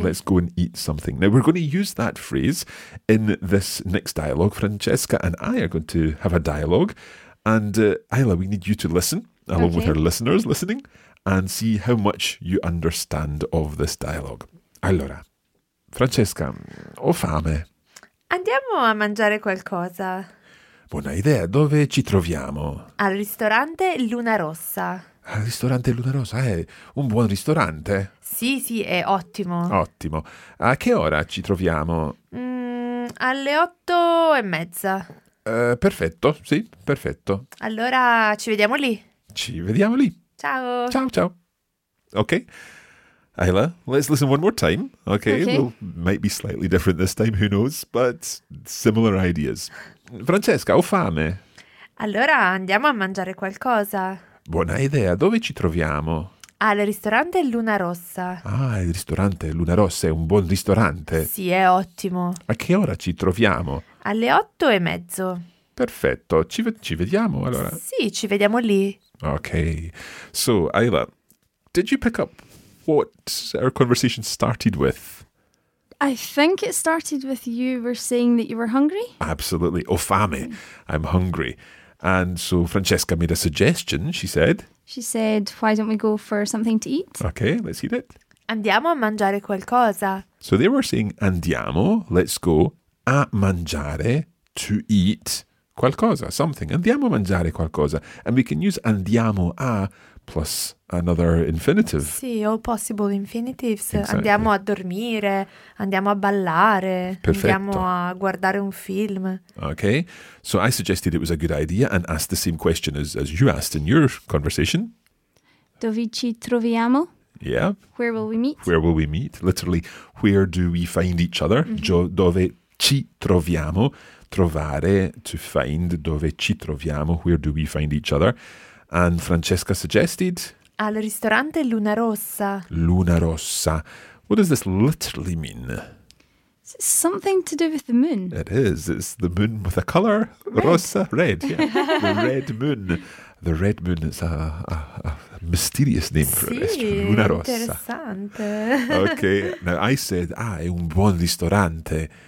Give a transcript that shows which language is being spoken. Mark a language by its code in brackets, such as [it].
[en] Let's go and eat something. Now, we're going to use that phrase in this next dialogue. Francesca and I are going to have a dialogue. And Isla, we need you to listen, along with our listeners listening, and see how much you understand of this dialogue. [it] Allora, Francesca, ho fame. Andiamo a mangiare qualcosa. Buona idea. Dove ci troviamo? Al ristorante Luna Rossa. Al ristorante Luna Rossa? È un buon ristorante? Sì, sì, è ottimo. Ottimo. A che ora ci troviamo? Alle 8:30. Perfetto, sì, perfetto. Allora ci vediamo lì. Ci vediamo lì. Ciao. Ciao, ciao. Ok. [en] Isla, let's listen one more time, okay? Okay. Well, might be slightly different this time, who knows, but similar ideas. [it] Francesca, ho fame. Allora, andiamo a mangiare qualcosa. Buona idea, dove ci troviamo? Al ristorante Luna Rossa. Ah, il ristorante Luna Rossa è un buon ristorante. Sì, è ottimo. A che ora ci troviamo? Alle 8:30. Perfetto, ci vediamo allora. Sì, ci vediamo lì. [en] Okay, so Isla, did you pick up what our conversation started with? I think it started with you were saying that you were hungry. Absolutely. [it] Ho fame. [en] I'm hungry. And so Francesca made a suggestion, she said. She said, why don't we go for something to eat? Okay, let's eat it. [it] Andiamo a mangiare qualcosa. [en] So they were saying, andiamo, let's go, a mangiare, to eat qualcosa, something. [it] Andiamo a mangiare qualcosa. [en] And we can use andiamo a plus another infinitive. Sì, all possible infinitives. Exactly. [it] Andiamo a dormire, andiamo a ballare. Perfetto. Andiamo a guardare un film. [en] Okay, so I suggested it was a good idea and asked the same question as you asked in your conversation. [it] Dove ci troviamo? [en] Yeah. Where will we meet? Where will we meet? Literally, where do we find each other? [it] Mm-hmm. Dove ci troviamo? Trovare, [en] to find. [it] Dove ci troviamo? [en] Where do we find each other? And Francesca suggested? [it] Al ristorante Luna Rossa. Luna Rossa. [en] What does this literally mean? It's something to do with the moon. It is. It's the moon with a colour. Red. Rossa. Red. Yeah. The red moon. The red moon is a mysterious name for [it] sì, [en] a restaurant. Luna Rossa. [it] Interessante. [en] Okay. Now I said, [it] è un buon ristorante.